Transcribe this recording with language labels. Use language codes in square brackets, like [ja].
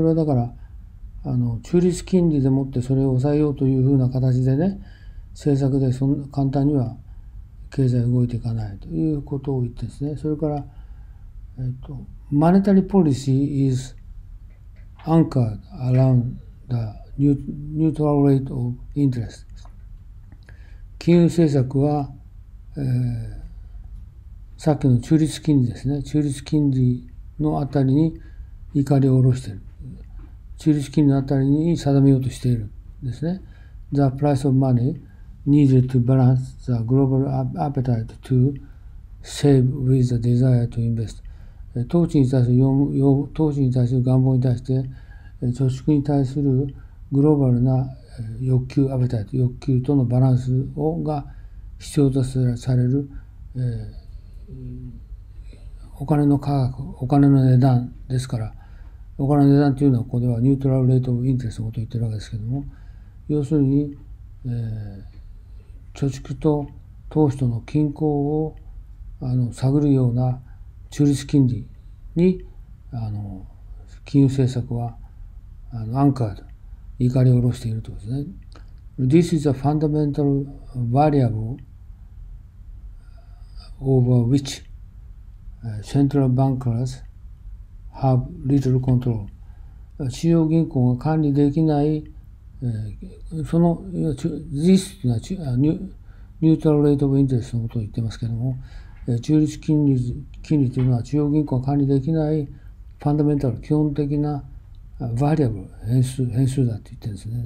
[ja] それはだから、中立金利でもってそれを抑えようというふうな形でね、政策でそんな簡単には経済動いていかないということを言ってですね。それから、マネタリーポリシー [en] is anchored around the neutral rate of interest。 [ja] 金融政策は、さっきの中立金利ですね、中立金利のあたりに錨を下ろしている。中立金利のあたりに定めようとしているんですね。 [en] The price of money needed to balance the global appetite to save with the desire to invest。 [ja] 投資に対する要、要、投資に対する願望に対して、貯蓄に対するグローバルな欲求、アペタイト、欲求とのバランスをが必要とされる、お金の価格、お金の値段ですから、お金の値段というのはここではニュートラルレートオブインテレストのことを言ってるわけですけども、要するに、貯蓄と投資との均衡を探るような中立金利に、金融政策はアンカーと錨を下ろしているということですね。 [en] This is a fundamental variable over which central bankers have little control。 [ja] 中央銀行が管理できない、その This というのはニュートラルレートオブインテレストのことを言ってますけれども、中立金利というのは、中央銀行が管理できないファンダメンタル、基本的なバリアブル、変数だと言ってるんですね。